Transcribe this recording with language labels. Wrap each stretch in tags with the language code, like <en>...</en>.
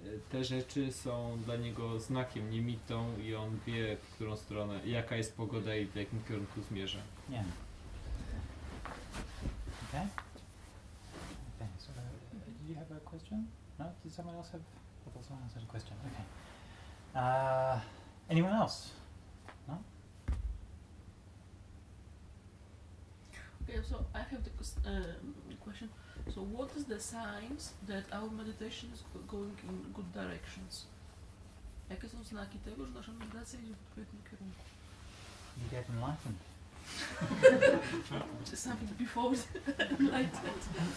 <pl>Te rzeczy są dla niego znakiem, nimitą i on wie, w którą stronę, jaka jest pogoda i w jakim kierunku zmierza. Nie.</pl> <en>Okay. So, did you have a question? No? Did someone else have? I thought someone else had a question. Okay. Anyone else? No? Okay, so I have the question. So what is the signs that our meditation is going in good directions?</en> <pl>Jakie są znaki tego, że nasza medytacja idzie w odpowiednim kierunku?</pl> <en>You get enlightened. Just something before enlightened.</en>